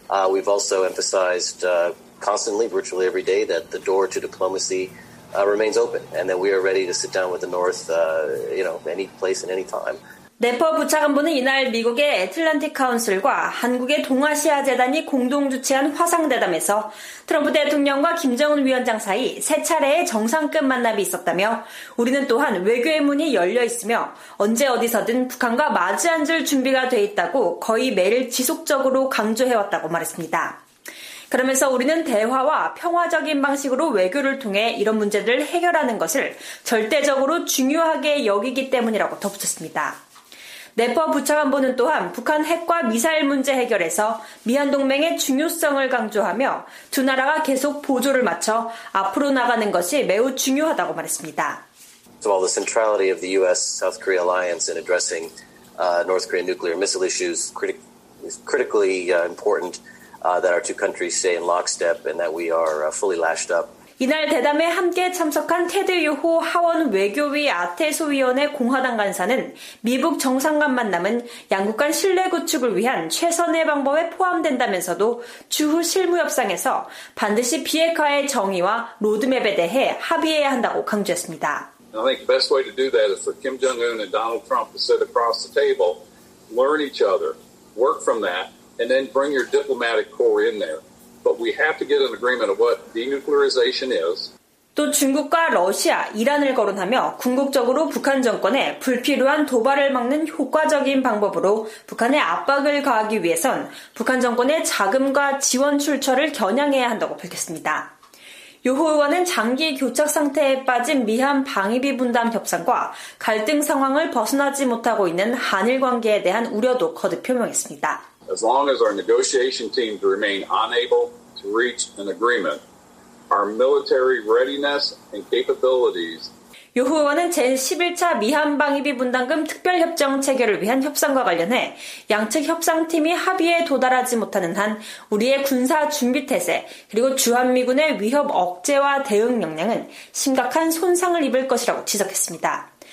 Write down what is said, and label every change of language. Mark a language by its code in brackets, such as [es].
[en] We've also emphasized constantly, virtually every day, that the door to diplomacy remains open and that we are ready to sit down with the North, any place and any time. [ko] 네퍼 부차관보는 이날 미국의 애틀란틱 카운슬과 한국의 동아시아 재단이 공동 주최한 화상대담에서 트럼프 대통령과 김정은 위원장 사이 세 차례의 정상급 만남이 있었다며 우리는 또한 외교의 문이 열려 있으며 언제 어디서든 북한과 마주앉을 준비가 돼 있다고 거의 매일 지속적으로 강조해왔다고 말했습니다. 그러면서 우리는 대화와 평화적인 방식으로 외교를 통해 이런 문제들을 해결하는 것을 절대적으로 중요하게 여기기 때문이라고 덧붙였습니다. 네퍼 부차관보는 또한 북한 핵과 미사일 문제 해결에서 미한동맹의 중요성을 강조하며 두 나라가 계속 보조를 맞춰 앞으로 나가는 것이 매우 중요하다고 말했습니다. [en] So all the centrality of the U.S.-South Korea alliance in addressing North Korean nuclear missile issues is critically important that our two countries stay in lockstep and that we are fully lashed up. [ko] 이날 대담에 함께 참석한 테드 유호 하원 외교위 아태소 위원회 공화당 간사는 미북 정상 간 만남은 양국 간 신뢰 구축을 위한 최선의 방법에 포함된다면서도 주후 실무 협상에서 반드시 비핵화의 정의와 로드맵에 대해 합의해야 한다고 강조했습니다. [en] I think the best way to do that is for Kim Jong-un and Donald Trump to sit across the table, learn each other, work from that, and then bring your diplomatic core in there. But we have to get an agreement of what denuclearization is. [ko] 또 중국과 러시아, 이란을 거론하며 궁극적으로 북한 정권에 불필요한 도발을 막는 효과적인 방법으로 북한에 압박을 가하기 위해선 북한 정권의 자금과 지원 출처를 겨냥해야 한다고 밝혔습니다. 유호 의원은 장기 교착 상태에 빠진 미한 방위비 분담 협상과 갈등 상황을 벗어나지 못하고 있는 한일 관계에 대한 우려도 거듭 표명했습니다. [en] As long as our negotiation teams remain unable to reach an agreement, our military readiness and capabilities. [ko] 유호 의원은 제11차 미한 방위비 분담금 특별협정 체결을 위한 협상과 관련해 양측 협상팀이 합의에 도달하지 못하는 한 우리의 군사 준비태세 그리고 주한미군의 위협 억제와 대응 역량은 심각한 손상을 입을 것이라고 지적했습니다.